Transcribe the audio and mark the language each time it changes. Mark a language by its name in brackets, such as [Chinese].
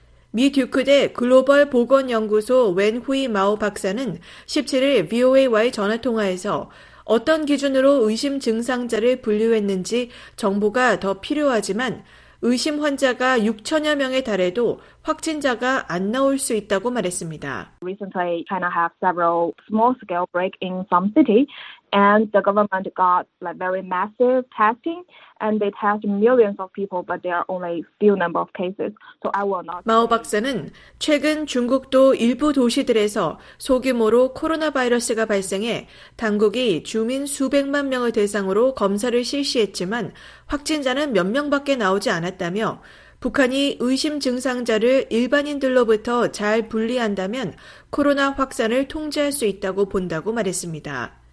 [Korean] 미 듀크대 글로벌 보건연구소 웬 후이 마오 박사는 17일 VOA와의 전화통화에서 어떤 기준으로 의심 증상자를 분류했는지 정보가 더 필요하지만 의심 환자가 6천여 명에 달해도 확진자가 안 나올 수 있다고 말했습니다. [English] Recently, China had several small-scale break in some city, and the government got like very massive testing, and they test millions of people, but there are only few number of cases. So I will not. [Korean] 마오 박사는 최근 중국도 일부 도시들에서 소규모로 코로나 바이러스가 발생해 당국이 주민 수백만 명을 대상으로 검사를 실시했지만 확진자는 몇 명밖에 나오지 않았다며. 북한이 의심 증상자를 일반인들로부터 잘 분리한다면 코로나 확산을 통제할 수 있다고 본다고 말했습니다.